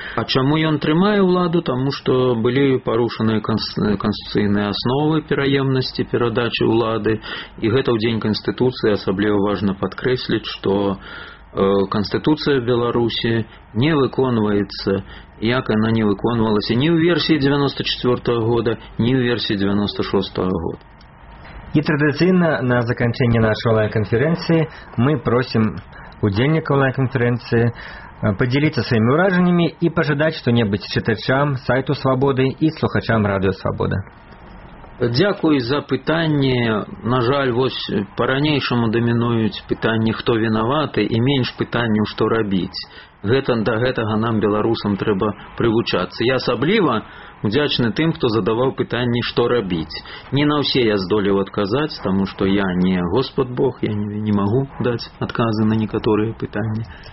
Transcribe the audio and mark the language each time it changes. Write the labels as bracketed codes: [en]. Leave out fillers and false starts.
[be] А чаму ён трымае ўладу? Таму што былі парушаныя канстытуцыйныя асновы пераемнасці, перадачы ўлады, і гэта ў дзень канстытуцыі асабліва важна падкрэсліць, што [ru] Конституция Беларуси не выконывается, як она не выконывалась ни в версии 94 года, ни в версии 96 года. И традиционно на закончение нашей онлайн-конференции мы просим удельников онлайн-конференции поделиться своими уражениями и пожелать что-нибудь читачам сайту «Свободы» и слухачам радио «Свобода». [be] Дякую за пытанне. На жаль, вось па-ранейшаму дамінуюць пытанні, хто вінаваты, і менш пытанняў, што рабіць. Гэта да гэтага нам, беларусам, трэба прывучацца. Я асабліва удзячны тым, хто задаваў пытанні, што рабіць. Не на ўсе я здолеў адказаць, таму што я не Господ Бог, я не магу даць адказы на некаторыя пытанні.